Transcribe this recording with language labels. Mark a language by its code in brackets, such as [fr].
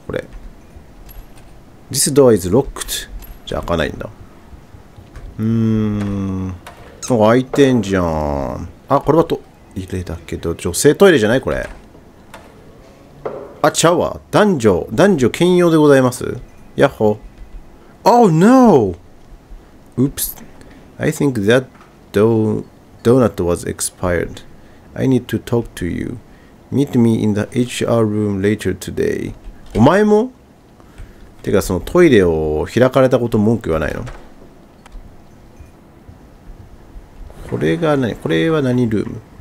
[ja] これ。 [en] This door is locked。 [ja] じゃあ開かないんだ。もう開いてんじゃん。あ、これはトイレだけど、女性トイレじゃないこれ。あ、ちゃうわ。男女兼用でございます。やっほ。 [en] Oh no! Oops. I think that donut was expired. I need to talk to you. Meet me in the HR room later today. [ja] お前も？てか、そのトイレを開かれたこと文句言わないの？これが何？これは何ルーム？